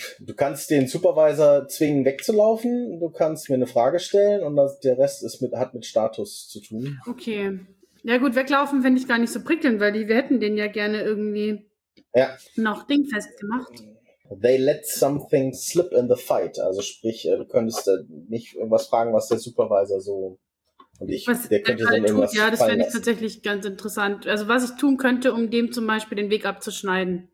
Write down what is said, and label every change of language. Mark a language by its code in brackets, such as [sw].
[de] Du kannst den Supervisor zwingen, wegzulaufen. Du kannst mir eine Frage stellen und der Rest hat mit Status zu tun. Okay. Ja gut, weglaufen finde ich gar nicht so prickelnd, weil wir hätten den ja gerne irgendwie noch dingfest gemacht. [en] They let something slip in the fight. [de] Also sprich, du könntest nicht irgendwas fragen, was der Supervisor so und ich, was der könnte dann irgendwas tut. Ja, das fände ich tatsächlich ganz interessant. Also was ich tun könnte, um dem zum Beispiel den Weg abzuschneiden.